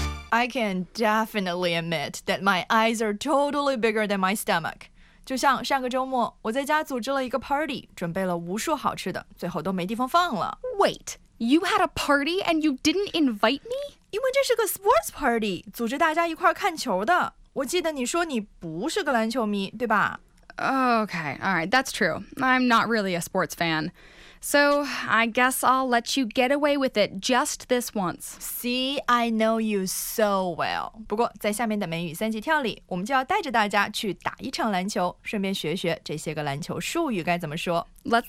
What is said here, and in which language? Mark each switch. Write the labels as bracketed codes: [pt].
[en] I can definitely admit that my eyes are totally bigger than my stomach. [zh] 就像上个周末，我在家组织了一个 party， 准备了无数好吃的，最后都没地方放了。 [en] Wait, you had a party and you didn't invite me? [zh] 因为这是个 sports party， 组织大家一块看球的。我记得你说你不是个篮球迷，对吧？ [en] Okay, all right, that's true. I'm not really a sports fan. So, I guess I'll let you get away with it just this once. See, I know you so well. [zh] 不过,在下面的美语三级跳里,我们就要带着大家去打一场篮球,顺便学学这些个篮球术语该怎么说。 [en] Let's